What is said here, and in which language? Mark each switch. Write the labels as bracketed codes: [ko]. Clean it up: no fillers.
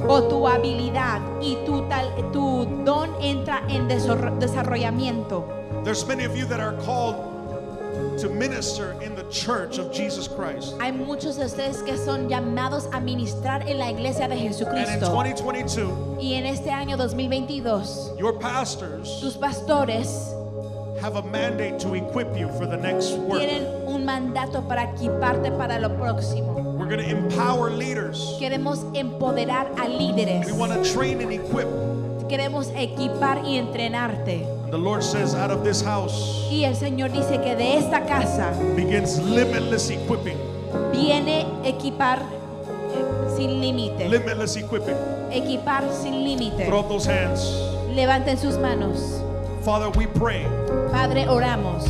[es] O tu habilidad y tu don entra en desarrollamiento. [en] There's many of you that are called to minister in the church of Jesus Christ. [es] Hay muchos de ustedes que son llamados a ministrar en la iglesia de Jesucristo. [en] And in 2022, [es] y en este año 2022, [en] your pastors, [es] tus pastores, [en] have a mandate to equip you for the next work. [es] Tienen un mandato para equiparte para lo próximo. [en] We're going to empower leaders. [es] Queremos empoderar a líderes. [en] We want to train and equip. [es] Queremos equipar y entrenarte. [en] And the Lord says, out of this house, [es] y el Señor dice que de esta casa, [en] begins limitless equipping. [es] Viene equipar sin límites. [en] Limitless equipping. [es] Equipar sin límites. [en] Throw up those hands. [es] Levanten sus manos. [en] Father, we pray, [es] Padre, oramos,